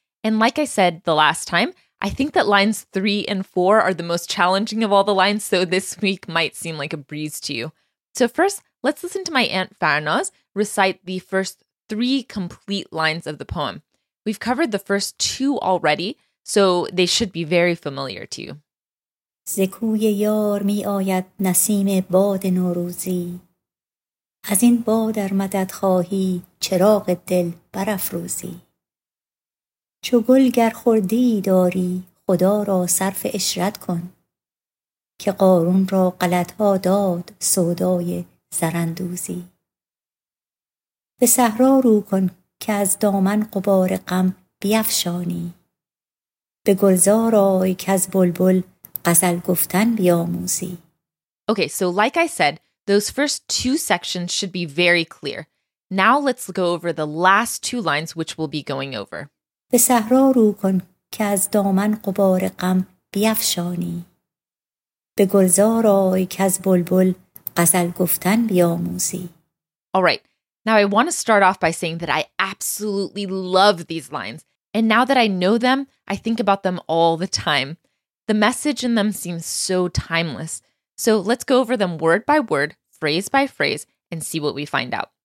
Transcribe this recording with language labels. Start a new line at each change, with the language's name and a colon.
English: And like I said the last time, I think that lines 3 and 4 are the most challenging of all the lines, so this week might seem like a breeze to you. So first, let's listen to my aunt Farnaz recite the first 3 complete lines of the poem. We've covered the first 2 already, so they should be very familiar to you.
Persian: ز کوی یار می آید نسیم باد نوروزی از این باد ار مدد خواهی چراغ دل برافروزی چو گل گر خردی داری خدا را صرف اشرت کن که قارون را غلط ها داد سودای زرندوزی به صحرا رو کن که از دامن غبار غم بیفشانی به گلزار آی که از بلبل غزل گفتن بیاموزی.
English: Okay, so like I said, those first 2 sections should be very clear. Now let's go over the last 2 lines, which we'll be going over.
Persian: به صحرا رو کن که از دامن غبار غم بیفشانی به گلزار آی که از بلبل غزل گفتن بیاموزی.
English: All right. Now I want to start off by saying that I absolutely love these lines. And now that I know them, I think about them all the time. The message in them seems so timeless. So let's go over them word by word, phrase by phrase, and see what we find out.